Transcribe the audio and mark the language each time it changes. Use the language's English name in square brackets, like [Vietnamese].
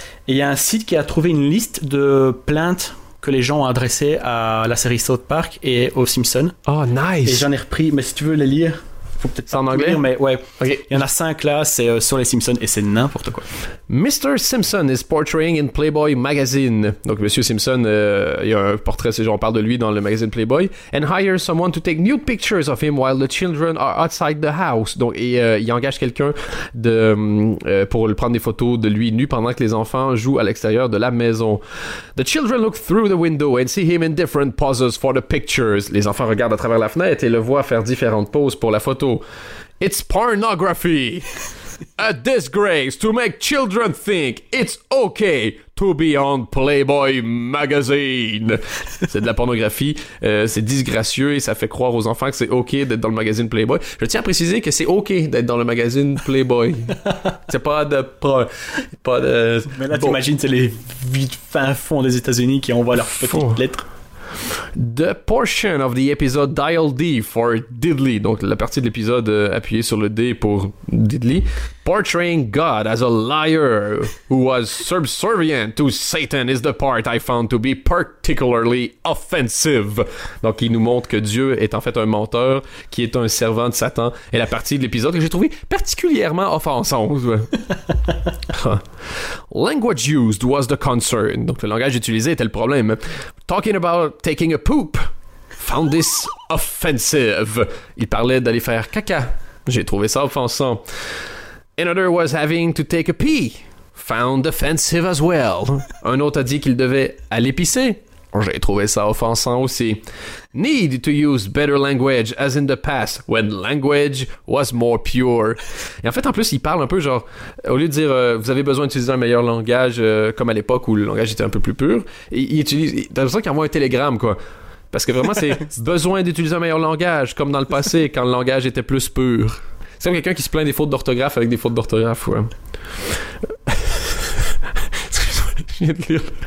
[French] Et il y a un site qui a trouvé une liste de plaintes que les gens ont adressées à la série South Park et aux Simpsons. [English] Oh, nice. [French] Et j'en ai repris, mais si tu veux les lire, faut peut-être c'est en anglais, lire, mais ouais. [English] Okay. [French] Il y en a 5 là, c'est sur les Simpsons et c'est n'importe quoi. [English] Mr. Simpson is portraying in Playboy magazine. [French] Donc Monsieur Simpson, il y a un portrait, c'est genre on parle de lui dans le magazine Playboy. [English] And hire someone to take nude pictures of him while the children are outside the house. [French] Donc et, il engage quelqu'un de pour prendre des photos de lui nu pendant que les enfants jouent à l'extérieur de la maison. [English] The children look through the window and see him in different poses for the pictures. [French] Les enfants regardent à travers la fenêtre et le voient faire différentes poses pour la photo. [English] It's pornography. A disgrace to make children think it's okay to be on Playboy magazine. [French] C'est de la pornographie, c'est disgracieux et ça fait croire aux enfants que c'est ok d'être dans le magazine Playboy. Je tiens à préciser que c'est ok d'être dans le magazine Playboy. C'est pas de... pas de... Mais là bon. T'imagines, c'est les fins fonds des États-Unis qui envoient leurs petites lettres. [English] The portion of the episode Dial D for Diddly. [French] Donc la partie de l'épisode appuyée sur le D pour Diddly. [English] Portraying God as a liar who was subservient to Satan is the part I found to be particularly offensive. [French] Donc il nous montre que Dieu est en fait un menteur, qui est un servant de Satan, et la partie de l'épisode que j'ai trouvé particulièrement offensante. [English] Language used was the concern. [French] Donc le langage utilisé était le problème. [English] Talking about taking a poop found this offensive. [French] Il parlait d'aller faire caca. J'ai trouvé ça offensant. [English] Another was having to take a pee. Found offensive as well. [French] Un autre a dit qu'il devait aller pisser. J'ai trouvé ça offensant aussi. [English] Need to use better language as in the past when language was more pure. [French] Et en fait, en plus, il parle un peu genre... Au lieu de dire « Vous avez besoin d'utiliser un meilleur langage comme à l'époque où le langage était un peu plus pur », il utilise... T'as l'impression qu'il envoie un télégramme, quoi. Parce que vraiment, c'est « Besoin d'utiliser un meilleur langage comme dans le passé quand le langage était plus pur ». C'est comme quelqu'un qui se plaint des fautes d'orthographe avec des fautes d'orthographe, ouais. Excuse-moi, je viens de lire...